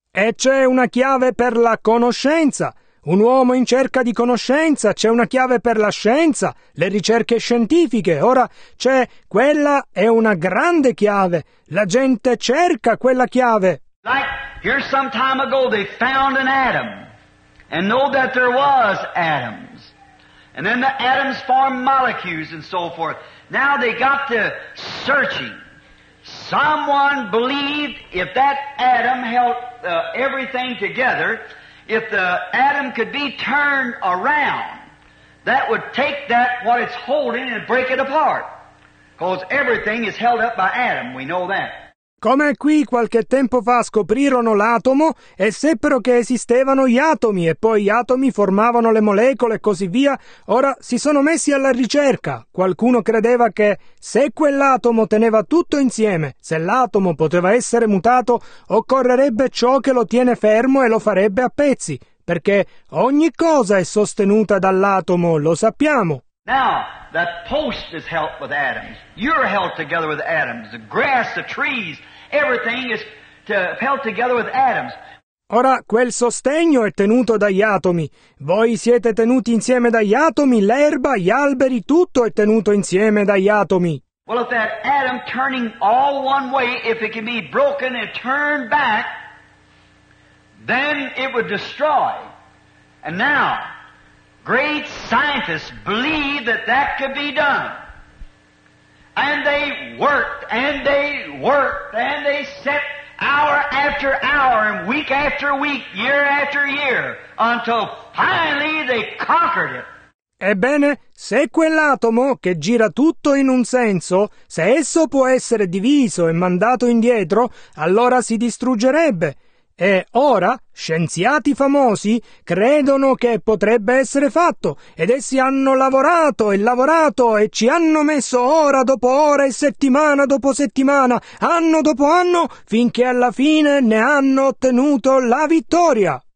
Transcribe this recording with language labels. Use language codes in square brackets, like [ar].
[it] E c'è una chiave per la conoscenza. Un uomo in cerca di conoscenza, c'è una chiave per la scienza, le ricerche scientifiche. Ora, c'è, quella è una grande chiave. La gente cerca quella chiave. [en] Like, here some time ago they found an atom, and know that there was atoms. And then the atoms formed molecules and so forth. Now they got to searching. Someone believed if that atom held everything together... if the atom could be turned around, that would take that, what it's holding, and break it apart. Because everything is held up by atom, we know that. [it] Come qui qualche tempo fa scoprirono l'atomo e seppero che esistevano gli atomi e poi gli atomi formavano le molecole e così via, ora si sono messi alla ricerca. Qualcuno credeva che se quell'atomo teneva tutto insieme, se l'atomo poteva essere mutato, occorrerebbe ciò che lo tiene fermo e lo farebbe a pezzi, perché ogni cosa è sostenuta dall'atomo, lo sappiamo. [en] Now, that post is held with atoms. You're held together with atoms. The grass, the trees, everything is held together with atoms. [it] Ora, quel sostegno è tenuto dagli atomi. Voi siete tenuti insieme dagli atomi, l'erba, gli alberi, tutto è tenuto insieme dagli atomi. [en] Well, if that atom turning all one way, if it can be broken and turned back, then it would destroy. And now, great scientists believe that that could be done. And they worked, and they worked, and they set hour after hour, and week after week, year after year, until finally they conquered it. [it] Ebbene, se quell'atomo che gira tutto in un senso, se esso può essere diviso e mandato indietro, allora si distruggerebbe. E ora, scienziati famosi credono che potrebbe essere fatto, ed essi hanno lavorato e lavorato e ci hanno messo ora dopo ora e settimana dopo settimana, anno dopo anno, finché alla fine ne hanno ottenuto la vittoria.